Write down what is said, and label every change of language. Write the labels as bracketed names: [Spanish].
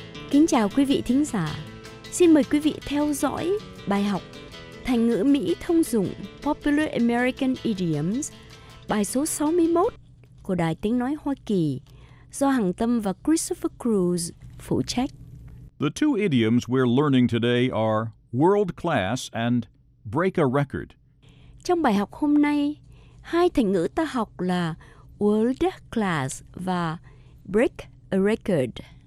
[Vietnamese] Kính chào quý vị thính giả. Xin mời quý vị theo dõi bài học thành ngữ Mỹ thông dụng [English] Popular American Idioms, [Vietnamese] bài số 61. Của Đài Tiếng Nói Hoa Kỳ, do Hằng Tâm và Christopher Cruz phụ trách. [English] The two idioms we're learning today are world class and break a record. [Vietnamese] Trong bài học hôm nay, hai thành ngữ ta học là world class và break a record.